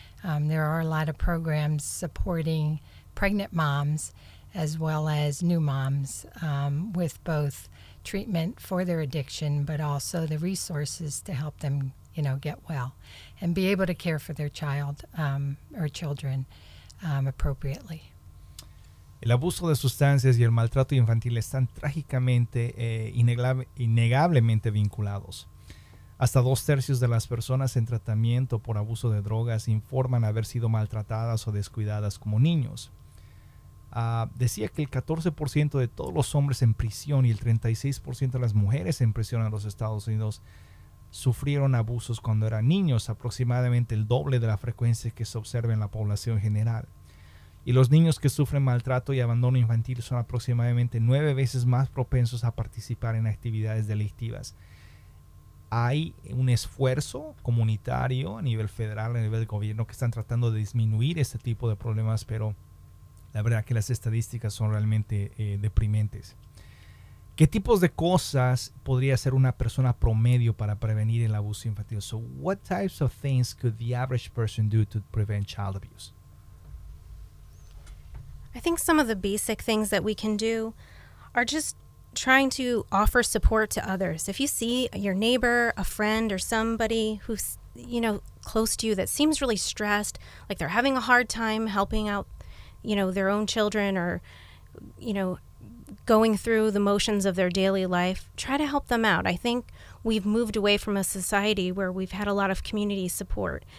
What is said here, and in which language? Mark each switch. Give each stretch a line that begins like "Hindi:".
English: There are a lot of programs supporting pregnant moms as well as new moms with both treatment for their addiction, but also the resources to help them, you know, get well and be able to care for their child or children appropriately.
Spanish: El abuso de sustancias y el maltrato infantil están trágicamente innegablemente vinculados. Hasta 2/3 de las personas en tratamiento por abuso de drogas informan haber sido maltratadas o descuidadas como niños. Decía que el 14% de todos los hombres en prisión y el 36% de las mujeres en prisión en los Estados Unidos sufrieron abusos cuando eran niños, aproximadamente el doble de la frecuencia que se observa en la población general. Y los niños que sufren maltrato y abandono infantil son aproximadamente 9 veces más propensos a participar en actividades delictivas. Hay un esfuerzo comunitario a nivel federal, a nivel del gobierno, que están tratando de disminuir este tipo de problemas, pero la verdad que las estadísticas son realmente deprimentes. ¿Qué tipos de cosas podría hacer una persona promedio para prevenir el abuso infantil?
English: So, what types of things could the average person do to prevent child abuse? I think some of the basic things that we can do are just trying to offer support to others. If you see your neighbor, a friend, or somebody who's, you know, close to you that seems really stressed, like they're having a hard time helping out, you know, their own children or, you know, going through the motions of their daily life, try to help them out. I think we've moved away from a society where we've had a lot of community support.